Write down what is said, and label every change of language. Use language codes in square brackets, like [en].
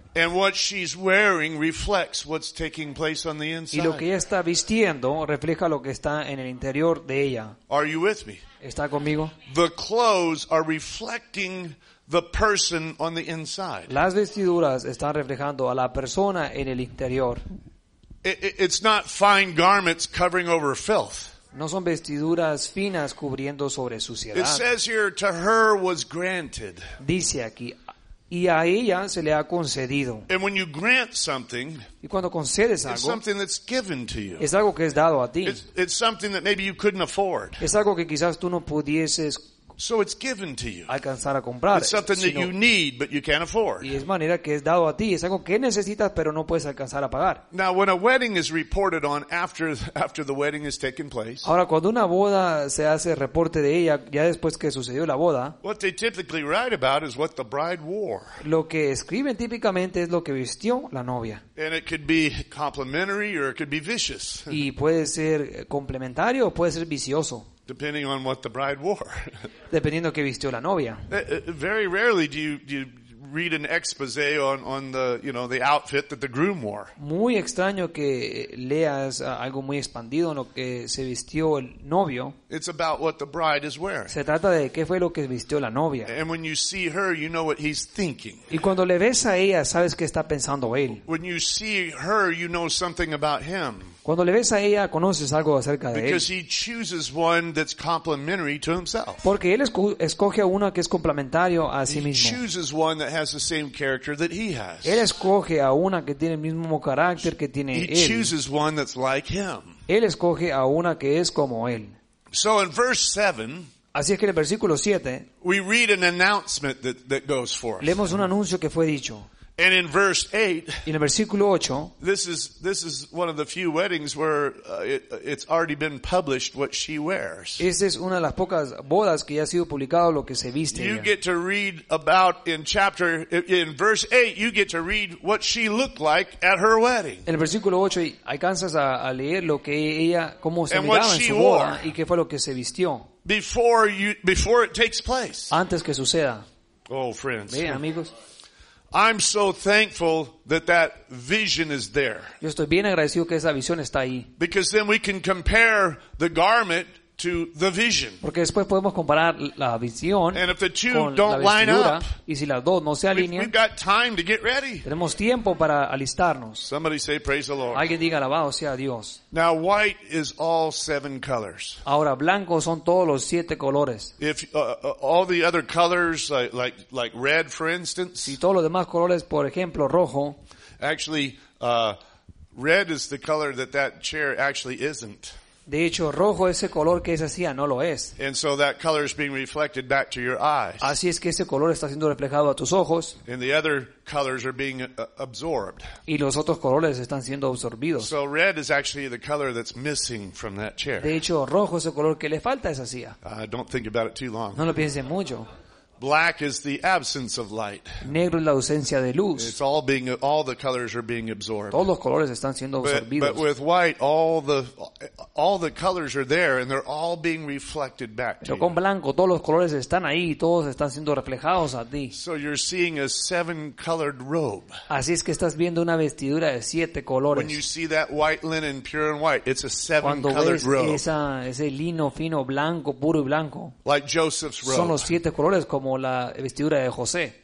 [en] And what she's wearing reflects what's taking place on the inside. [es] Y lo que ella está vistiendo refleja lo que está en el interior de ella. [en] Are you with me? [es] ¿Está conmigo? [en] The clothes are reflecting the person on the inside. [es] Las vestiduras están reflejando a la persona en el interior. [en] It's not fine garments covering over filth. [es] No son vestiduras finas cubriendo sobre suciedad. [en] It says here, to her was granted. [es] Dice aquí, y a ella se le ha concedido. [en] And when you grant something, [es] y cuando concedes algo, [en] it's something that's given to you. [es] Es algo que es dado a ti. [en] It's something that maybe you couldn't afford. [es] Es algo que quizás tú no pudieses. [en] So it's given to you. [es] Alcanzar a comprar. [en] It's something that you need, but you can't afford. [es] Y es manera que es dado a ti. Es algo que necesitas, pero no puedes alcanzar a pagar. [en] Now, when a wedding is reported on after the wedding has taken place. [es] Ahora, cuando una boda se hace reporte de ella ya después que sucedió la boda. [en] What they typically write about is what the bride wore. [es] Lo que escriben típicamente es lo que vistió la novia. [en] And it could be complimentary or it could be vicious. [es] Y puede ser complementario o puede ser vicioso. [en] Depending on what the bride wore. [es] Dependiendo qué vistió la novia. [en] Very rarely do you read an exposé on the, you know, the outfit that the groom wore. [es] Muy extraño que leas algo muy expandido en lo que se vistió el novio. [en] It's about what the bride is wearing. [es] Se trata de qué fue lo que vistió la novia. [en] And when you see her, you know what he's thinking. [es] Y cuando le ves a ella, sabes qué está pensando él. [en] When you see her, you know something about him. [es] Cuando le ves a ella, conoces algo acerca de [en] Because [es] él. [en] He chooses one that's complementary to himself. [es] Porque él escoge a una que es complementario a sí mismo. [en] He chooses one that has the same character that he has. [es] Él escoge a una que tiene el mismo carácter que tiene [en] He [es] él. [en] He chooses one that's like him. [es] Él escoge a una que es como él. [en] So in verse 7, [es] así es que en el versículo 7, [en] we read an announcement that goes for us. [es] Leemos un anuncio que fue dicho. [en] And in verse 8, [es] en el versículo 8, [en] this is one of the few weddings where it's already been published what she wears. [es] Esta es una de las pocas bodas que ya ha sido publicado lo que se viste ella. [en] You get to read about in verse 8, you get to read what she looked like at her wedding. [es] En el versículo 8 alcanzas a leer lo que ella cómo se miraba en su boda y qué fue lo que se vistió. [en] Before it takes place. [es] Antes que suceda. [en] Oh, friends. [es] Ve, amigos. [en] I'm so thankful that vision is there. [es] Yo estoy bien agradecido que esa visión está ahí. [en] Because then we can compare the garment to the vision. [es] Porque después podemos comparar la visión con la vestidura. Y si las dos no se alinean, [en] we've got time to get ready. [es] Tenemos tiempo para alistarnos. [en] Somebody say praise the Lord. [es] Alguien diga alabado sea Dios. [en] Now white is all seven colors. [es] Ahora blanco son todos los siete colores. [en] If all the other colors like red, for instance. [es] Si todos los demás colores, por ejemplo, rojo. [en] Actually, red is the color that chair actually isn't. [es] De hecho, rojo, ese color que esa silla no lo es. [en] And so that color is being reflected back to your eyes. [es] Así es que ese color está siendo reflejado a tus ojos. [en] And the other colors are being absorbed. [es] Y los otros colores están siendo absorbidos. [en] So red is actually the color that's missing from that chair. [es] De hecho, rojo es el color que le falta a esa silla. [en] Don't think about it too long. [es] No lo piense mucho. [en] Black is the absence of light. [es] Negro es la ausencia de luz. [en] It's all the colors are being absorbed. [es] Todos los colores están siendo absorbidos. [en] But with white, all the colors are there and they're all being reflected back to you. [es] Pero con blanco todos los colores están ahí y todos están siendo reflejados a ti. [en] So you're seeing a seven colored robe. [es] Así es que estás viendo una vestidura de siete colores. [en] When you see that white linen, pure and white, it's a seven colored robe. [es] Cuando ves ese lino fino blanco, puro y blanco. [en] Like Joseph's robe. [es] Son los siete colores como la vestidura de José.